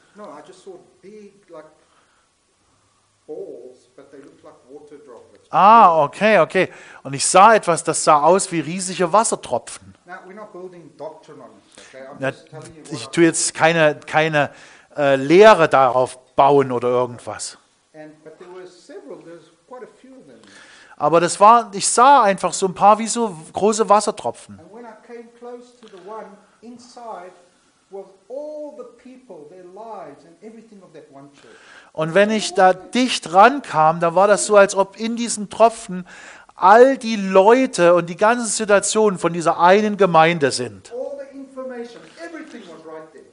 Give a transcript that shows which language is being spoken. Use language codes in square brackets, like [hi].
[en] No, I just saw big like balls, but they looked like water droplets. Ah, okay. [de] Und ich sah etwas, das sah aus wie riesige Wassertropfen. [en] Now, we're not building doctrine on this, okay? [de] Ich tue jetzt keine Lehre darauf bauen oder irgendwas. [en] But there were several, there's quite a few of them. [de] Aber das war, ich sah einfach so ein paar wie so große Wassertropfen. [en] And when I came close to the one inside, all the people, their lives and everything of that one church. [de] Und wenn ich da dicht rankam, da war das so, als ob in diesen Tropfen all die Leute und die ganze Situation von dieser einen Gemeinde sind. [en] All the information, everything was right there.